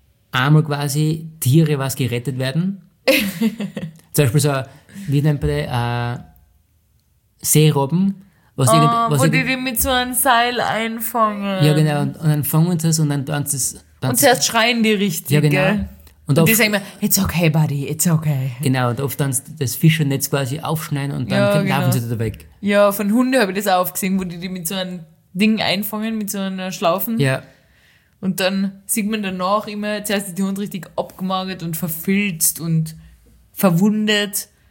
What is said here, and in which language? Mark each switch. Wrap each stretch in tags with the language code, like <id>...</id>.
<de>Einmal quasi Tiere, was gerettet werden. Zum Beispiel so, wie nennt man die, Seerobben. Was oh, was wo die den mit so einem Seil einfangen. Ja, genau, und dann fangen sie es und dann tun sie es. Und zuerst schreien die richtig, ja, genau. Gell? Und oft, die sagen immer,</de> <en>it's okay, buddy, it's okay.</en> <de>Genau, und oft dann das Fischernetz quasi aufschneiden und dann ja, genau. Laufen sie da weg. Ja, von Hunden habe ich das auch gesehen, wo die mit so einem Ding einfangen, mit so einer Schlaufen. Ja. Und dann sieht man danach immer, zuerst ist der Hund richtig abgemagert und verfilzt und verwundet.</de>